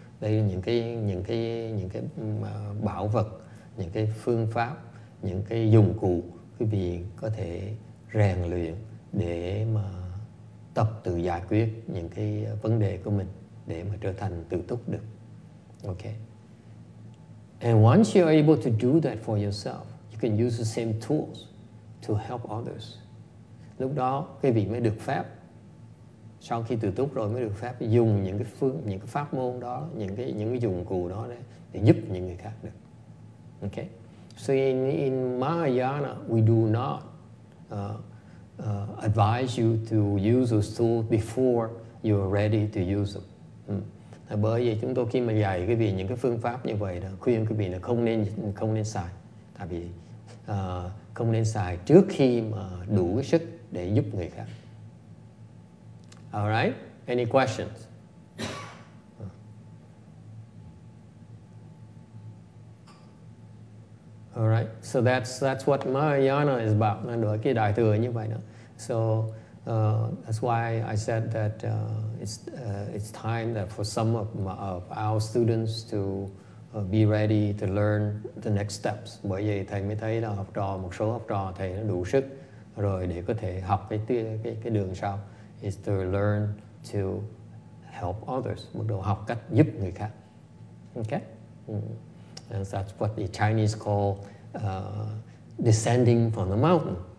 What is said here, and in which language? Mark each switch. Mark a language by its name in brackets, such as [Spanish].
[Vietnamese] Đây là những cái bảo vật, những cái phương pháp, những cái dụng cụ quý vị có thể rèn luyện để mà tập tự giải quyết những cái vấn đề của mình để mà trở thành tự túc được. [English] Okay. And once you are able to do that for yourself, you can use the same tools to help others. [Vietnamese] Lúc đó quý vị mới được phép, sau khi tự túc rồi mới được phép dùng những cái phương, những cái pháp môn đó, những cái dụng cụ đó đấy, để giúp những người khác được. [English] Okay. So in Mahayana, we do not advise you to use those tools before you are ready to use them. [Vietnamese] Bởi vì chúng tôi khi mà dạy quý vị những cái phương pháp như vậy đó, khuyên quý vị là không nên xài, tại vì không nên xài trước khi mà đủ cái sức để giúp người khác. [English] All right, any questions? All right, so that's what Mahayana is about. [Vietnamese] Nó nói cái đại thừa như vậy đó. [English] So that's why I said that it's time that for some of our students to be ready to learn the next steps. [Vietnamese] Bởi vì thầy mới thấy là học trò, một số học trò thầy nó đủ sức rồi để có thể học cái đường sau, [English] is to learn to help others, [Vietnamese] bắt đầu học cách giúp người khác. [English] Okay? And that's what the Chinese call descending from the mountain.